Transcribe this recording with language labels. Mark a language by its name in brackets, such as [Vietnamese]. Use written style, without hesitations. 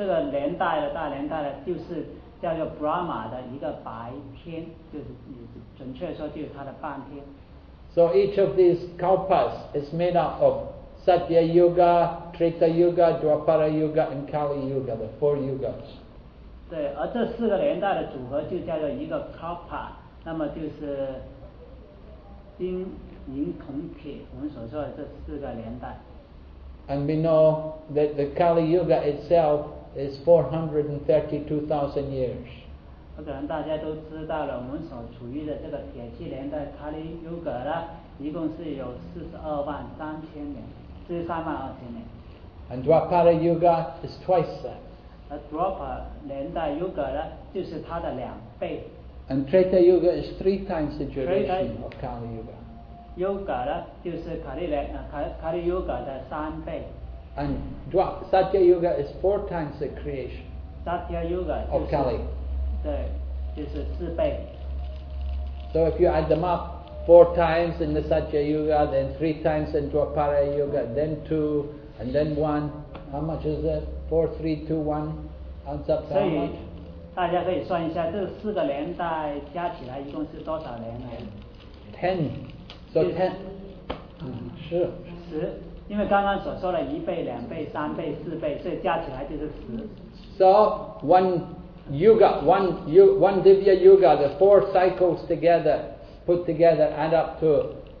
[Chinese] 就是意思呢，就是我们现在所活的这四个年代的1000次的循环呢，加起来就是这个大的年代，而这个年代的大年代呢，就是叫做 Brahma 的一个白天，就是准确说就是它的半天。 [English] So each of these kalpas is made up of Satya Yuga, Treta Yuga, Dwapara Yuga, and Kali Yuga, the four yugas. [Chinese] 对，而这四个年代的组合就叫做一个 kalpa， 那么就是金银铜铁，我们所说的这四个年代。 [English] And we know that the Kali Yuga itself is 432,000 years. [Chinese] 可能大家都知道了，我们所处于的这个铁器年代 Kali Yuga 呢，一共是有42万3千年，43万2千年。 [English] And Dwapara Yuga is twice that. [Chinese] Drapa 连带 Yuga 呢，就是它的两倍。 [English] And Treta Yuga is three times the duration of Kali Yuga. [Chinese] Yuga 呢，就是 Kali Yuga 的三倍。 [English] And Satya Yuga is four times the creation. Satya Yuga of Kali. [Chinese] 对，就是四倍。 [English] So if you add them up, four times in the Satya Yuga, then three times in Dwapara Yuga, then two, and then one. How much is it? Four, three, two, one. Adds up to how much? [Chinese] 大家可以算一下，这四个年代加起来一共是多少年呢？ [English] Ten. So ten. [Chinese] 是。十，因为刚刚所说的一倍、两倍、三倍、四倍，所以加起来就是十。 [English] So one. Yuga, one Divya Yuga, the four cycles together, put together, add up to